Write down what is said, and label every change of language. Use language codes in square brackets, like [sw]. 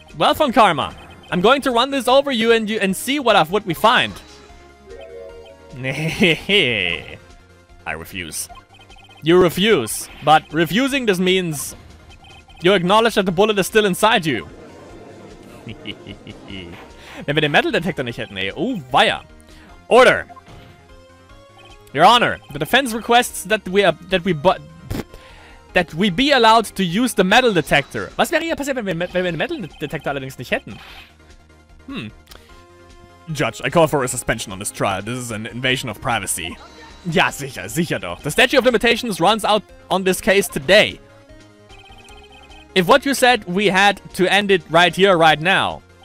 [en] Well, Von Karma, I'm going to run this over you and see what we find. I refuse. You refuse, but refusing this means you acknowledge that the bullet is still inside you. [de] Wenn wir den Metal Detector nicht hätten, ey. Oh, weia. [en] Order. Your Honor, the defense requests that we be allowed to use the metal detector. [de] Was wäre hier passiert, wenn wir den Metal Detector allerdings nicht hätten? [en] Judge, I call for a suspension on this trial. This is an invasion of privacy. [de] Ja, sicher, sicher doch. [en] The Statute of Limitations runs out on this case today. If what you said, we had to end it right here, right now.